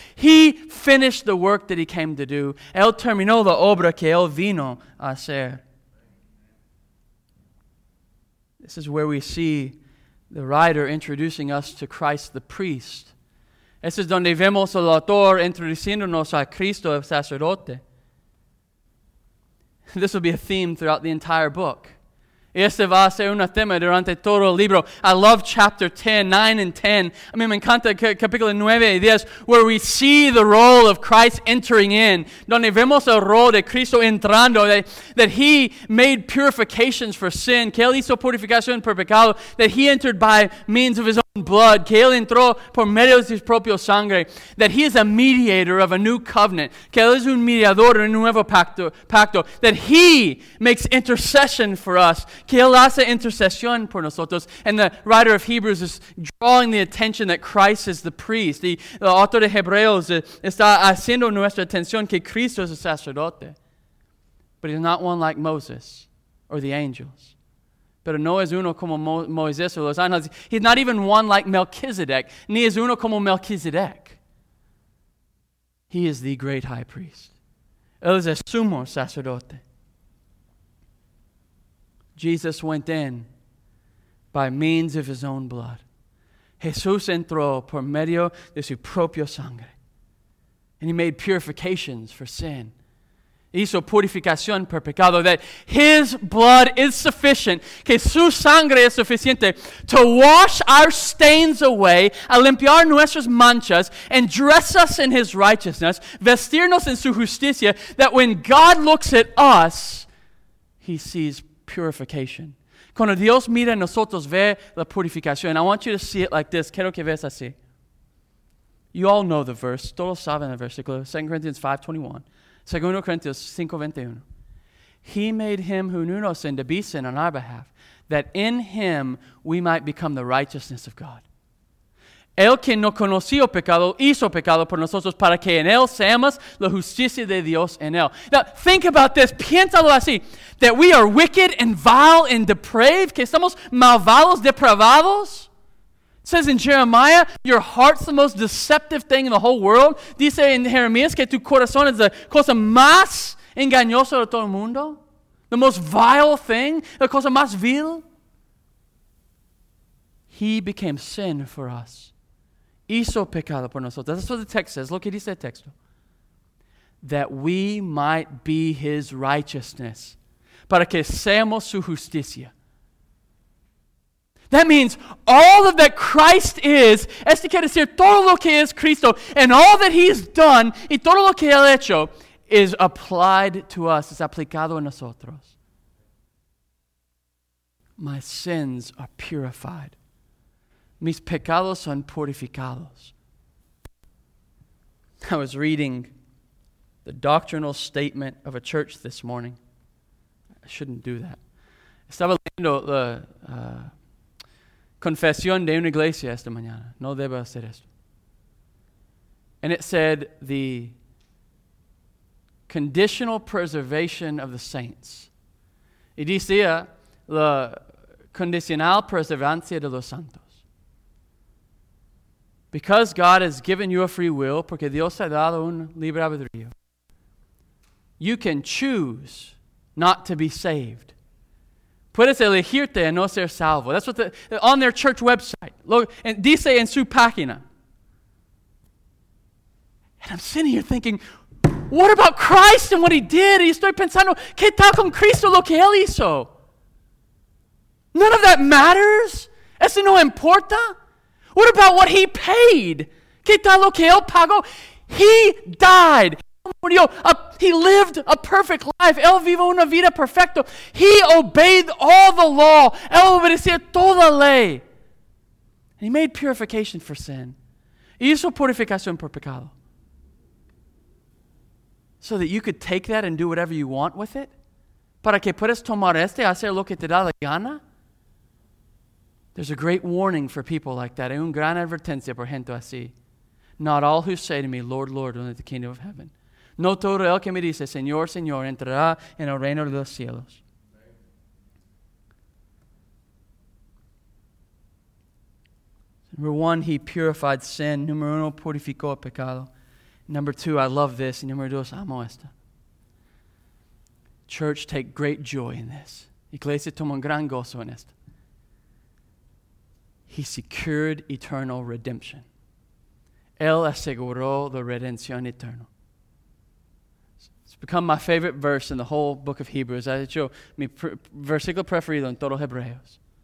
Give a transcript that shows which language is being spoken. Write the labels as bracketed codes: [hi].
[en] He finished the work that he came to do. [es] Él terminó la obra que él vino a hacer. [en] This is where we see the writer introducing us to Christ the priest. [es] Este es donde vemos al autor introduciéndonos a Cristo el sacerdote. [en] This will be a theme throughout the entire book. [es] Este va a ser un tema durante todo el libro. [en] I love chapter 10, 9 and 10. I mean, [es] me encanta capítulo 9 y 10, [en] where we see the role of Christ entering in. [es] Donde vemos el rol de Cristo entrando, [en] that he made purifications for sin, [es] que él hizo purificación por pecado, [en] that he entered by means of his own blood, [es] que él entró por medio de su propio sangre, [en] that he is a mediator of a new covenant, [es] que él es un mediador de un nuevo pacto, [en] that he makes intercession for us, [es] que él hace intercesión por nosotros. [en] And the writer of Hebrews is drawing the attention that Christ is the priest. [es] The autor de Hebreos está haciendo nuestra atención que Cristo es el sacerdote. [en] But he's not one like Moses or the angels. [es] Pero no es uno como Moisés o los ángeles. [en] He's not even one like Melchizedek. [es] Ni es uno como Melchizedek. [en] He is the great high priest. [es] Él es el sumo sacerdote. [en] Jesus went in by means of his own blood. [es] Jesús entró por medio de su propio sangre. [en] And he made purifications for sin. [es] Hizo purificación por pecado. [en] That his blood is sufficient. [es] Que su sangre es suficiente [en] to wash our stains away, [es] a limpiar nuestras manchas, [en] and dress us in his righteousness, [es] vestirnos en su justicia, [en] that when God looks at us, he sees purification. [es] Cuando Dios mira en nosotros, ve la purificación. [en] I want you to see it like this. [es] Quiero que veas así. [en] You all know the verse. [es] Todos saben el versículo. 2 Corinthians 5:21. 2 Corinthians 5:21. [en] He made him who knew no sin to be sin on our behalf, that in him we might become the righteousness of God. [es] El que no conoció pecado hizo pecado por nosotros para que en él seamos la justicia de Dios en él. [en] Now, think about this. [es] Piénsalo así. [en] That we are wicked and vile and depraved. [es] Que somos malvados, depravados. [en] It says in Jeremiah, your heart's the most deceptive thing in the whole world. [es] Dice en Jeremías que tu corazón es la cosa más engañosa de todo el mundo. [en] The most vile thing. [es] La cosa más vil. [en] He became sin for us. [es] Hizo pecado por nosotros. [en] That's what the text says. Look at this text. That we might be his righteousness. [es] Para que seamos su justicia. [en] That means all of that Christ is, [es] este quiere decir todo lo que es Cristo, [en] and all that he's done, [es] y todo lo que él ha hecho, [en] is applied to us, [es] es aplicado a nosotros. [en] My sins are purified. [es] Mis pecados son purificados. [en] I was reading the doctrinal statement of a church this morning. I shouldn't do that. [es] Estaba leyendo la confesión de una iglesia esta mañana. No debo hacer esto. [en] And it said the conditional preservation of the saints. [es] Y decía la condicional preservancia de los santos. [en] Because God has given you a free will, [es] porque Dios ha dado un libre albedrío, [en] you can choose not to be saved. [es] Puedes elegirte a no ser salvo. [en] That's what on their church website. [es] Dice en su página. [en] And I'm sitting here thinking, what about Christ and what he did? [es] Y estoy pensando, ¿qué tal con Cristo lo que él hizo? [en] None of that matters. [es] Eso no importa. [en] What about what he paid? [es] ¿Qué tal lo que él pagó? [en] He died. He lived a perfect life. [es] Él vivió una vida perfecta. [en] He obeyed all the law. [es] Él obedeció toda la ley. [en] And he made purification for sin. [es] Hizo purificación por pecado. [en] So that you could take that and do whatever you want with it? [es] Para que puedas tomar este y hacer lo que te da la gana? [en] There's a great warning for people like that. [es] Hay un gran advertencia por gente así. [en] Not all who say to me, Lord, Lord, will enter the kingdom of heaven. [es] No todo el que me dice, Señor, Señor, entrará en el reino de los cielos. [en] Number one, he purified sin. Number uno, [es] purificó el pecado. [en] Number two, I love this. Number dos, [es] amo esta. [en] Church, take great joy in this. [es] Iglesia, toma un gran gozo en esta. [en] He secured eternal redemption. [es] Él aseguró la redención eterna. [en] It's become my favorite verse in the whole book of Hebrews. [es] Ha hecho mi versículo preferido en todo Hebreos.